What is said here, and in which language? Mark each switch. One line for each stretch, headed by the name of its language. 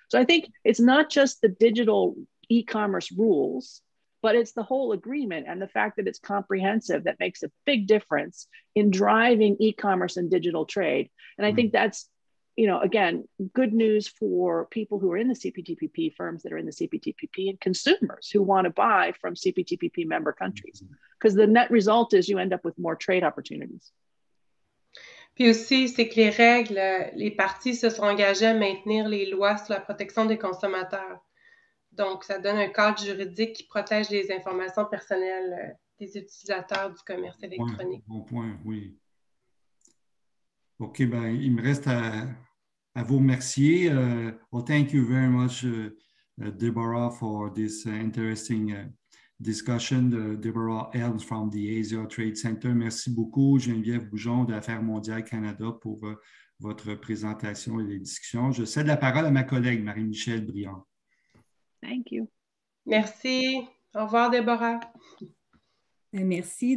English: So I think it's not just the digital e-commerce rules, but it's the whole agreement and the fact that it's comprehensive that makes a big difference in driving e-commerce and digital trade. And I think that's, you know, again, good news for people who are in the CPTPP, firms that are in the CPTPP, and consumers who want to buy from CPTPP member countries, because the net result is you end up with more trade opportunities.
French: Puis aussi, c'est que les règles, les parties se sont engagées à maintenir les lois sur la protection des consommateurs. Donc, ça donne un cadre juridique qui protège les informations personnelles des utilisateurs du commerce électronique. Bon point, oui. OK, ben, il me reste à vous remercier.
English: Well, thank you very much, Deborah, for this interesting discussion. Deborah Helms from the Asia Trade Center.
French: Merci beaucoup, Geneviève Boujon d'Affaires mondiales Canada, pour votre présentation et les discussions. Je cède la parole à ma collègue, Marie-Michèle Briand.
English: Thank you.
French: Merci. Au revoir, Deborah. Merci.